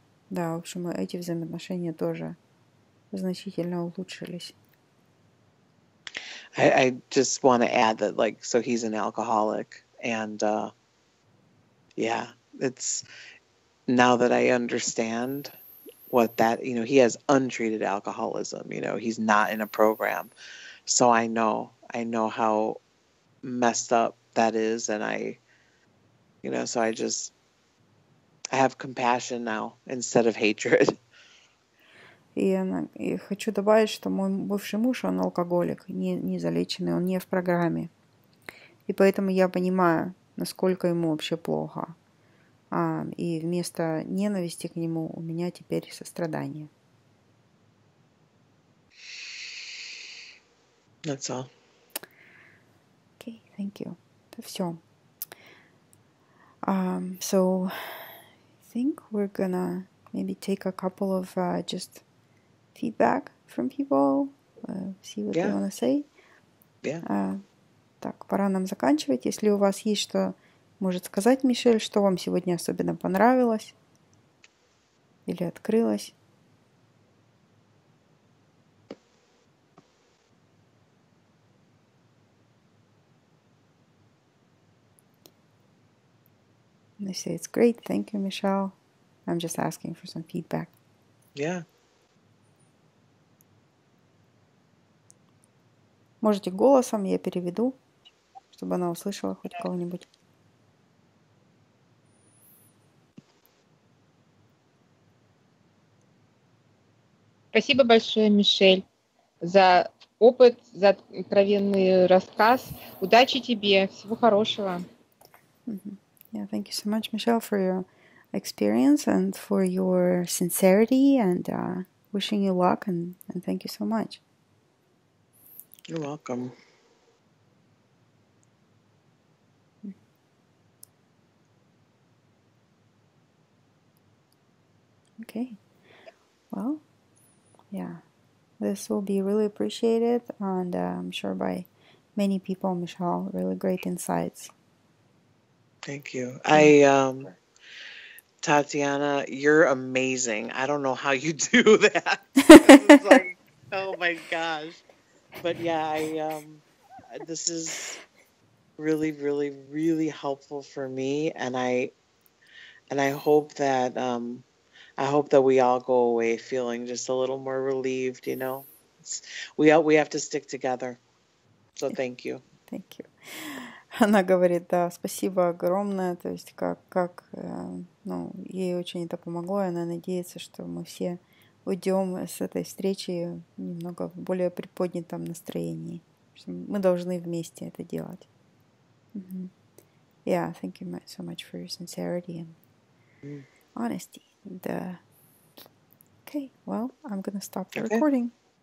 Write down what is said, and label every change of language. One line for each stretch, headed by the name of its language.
Russian: Да, в общем, эти взаимоотношения тоже значительно улучшились.
English: I just want to add that, like, so he's an alcoholic, and, yeah, it's, now that I understand what that, you know, he has untreated alcoholism, you know, he's not in a program, so I know how messed up that is, and I, you know, so I have compassion now instead of hatred.
Russian: И хочу добавить, что мой бывший муж, он алкоголик, не залеченный, он не в программе. И поэтому я понимаю, насколько ему вообще плохо. И вместо ненависти к нему у меня теперь сострадание.
English: That's all. Okay, thank you.
Russian: Это все.
English: So, I think we're gonna maybe take a couple of just... feedback from people, see what they want to say.
Russian: Так, пора нам заканчивать. Если у вас есть что может сказать, Мишель, что вам сегодня особенно понравилось или открылось?
English: And they say, it's great, thank you, Michelle. I'm just asking for some feedback. Yeah.
Russian: Можете голосом, я переведу, чтобы она услышала хоть кого-нибудь. Спасибо большое, Мишель, за опыт, за откровенный рассказ. Удачи тебе, всего хорошего. Mm-hmm.
English: Yeah, thank you so much, Michelle, for your experience and for your sincerity and wishing you luck and thank you so much. You're welcome. Okay. Well, yeah. This will be really appreciated, and I'm sure by many people, Michelle, really great insights. Thank you. I, Tatiana, you're amazing. I don't know how you do that. It's like, oh my gosh. But yeah, I this is really, really, really helpful for me, and I hope that we all go away feeling just a little more relieved. You know, we have to stick together. So thank you. Thank you.
Russian: Она говорит, да, спасибо огромное, то есть как ну, ей очень это помогло, и она надеется, что мы все уйдем с этой встречи немного в более приподнятом настроении. Мы должны вместе это делать. Mm-hmm.
English: Yeah, thank you so much for your sincerity and honesty. And, okay, well, I'm gonna stop the recording. Okay.